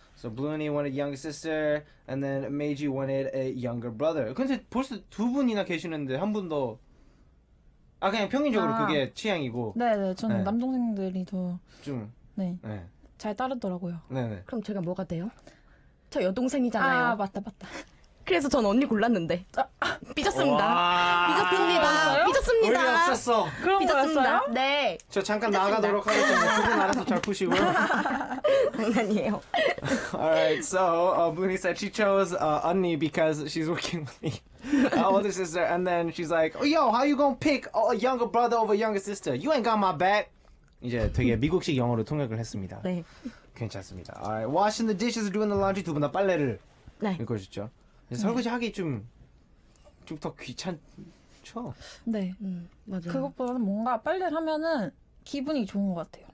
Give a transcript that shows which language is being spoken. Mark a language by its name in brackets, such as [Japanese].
[English] So Bluni wanted younger sister, and then Meiji wanted a younger brother. [Korean] 근데 벌써 두 분이나 계시는데 한 분 더. 아 그냥 평균적으로 그게 취향이고. 네네, 저는 네. 남동생들이 더 좀 네. 네. 잘 따르더라고요. 네네. 그럼 제가 뭐가 돼요? 저 여동생이잖아요. 아 맞다 맞다. 그래서 전 언니 골랐는데 삐졌습니다. 삐졌습니다. 삐졌습니다. 의미 없었어. 그런 삐졌습니다. 거였어요? 네. 저 잠깐 나가도록 하겠습니다. 두 분 알아서 잘 푸시고요. 장난이에요. [English] Alright, so Bluni said she chose 언니 because she's working with me. older sister, and then she's like, oh, yo, how you gonna pick a younger brother over a younger sister? You ain't got my back. [Korean] 이제 되게 미국식 영어로 통역을 했습니다. 네. 괜찮습니다. [English] Alright, washing the dishes, doing the laundry, [Korean] 두 분 다 빨래를 네. 읽어주죠. 네. 설거지 하기 좀 더 귀찮죠? 네. 맞아요. 그것보다는 뭔가 빨래를 하면은 기분이 좋은 것 같아요.